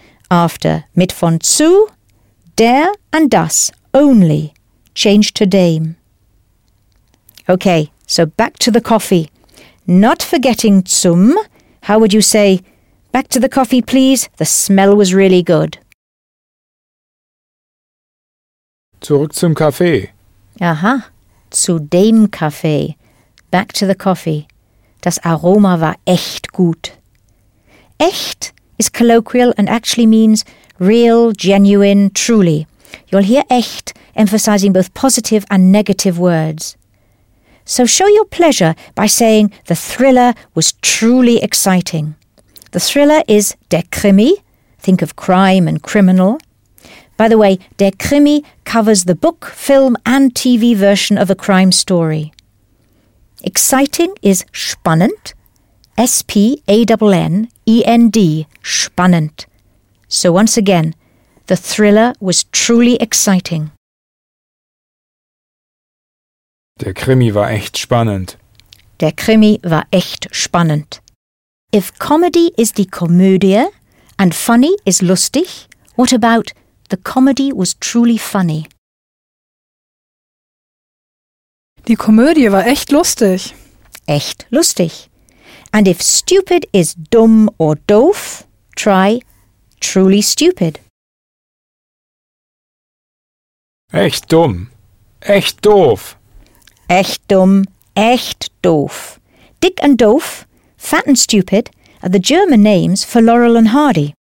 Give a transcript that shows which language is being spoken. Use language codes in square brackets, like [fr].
[en] After mit von zu, der and das only change to dem. Okay, so back to the coffee. Not forgetting zum, how would you say, back to the coffee, please? The smell was really good. [de] Zurück zum Kaffee. Aha, zu dem Kaffee. Back to the coffee. Das Aroma war echt gut. [en] Echt is colloquial and actually means real, genuine, truly. You'll hear echt emphasizing both positive and negative words. So show your pleasure by saying the thriller was truly exciting. The thriller is der Krimi. Think of crime and criminal. By the way, der Krimi covers the book, film and TV version of a crime story. Exciting is spannend. S-P-A-N-N-E-N-D, spannend. So once again, the thriller was truly exciting. [de] Der Krimi war echt spannend. Der Krimi war echt spannend. [en] If comedy is die Komödie and funny is lustig, what about the comedy was truly funny? [de] Die Komödie war echt lustig. Echt lustig. [en] And if stupid is dumm or doof, try truly stupid. [de] Echt dumm. Echt doof. Echt dumm. Echt doof. [en] Dick and doof, fat and stupid, are the German names for Laurel and Hardy.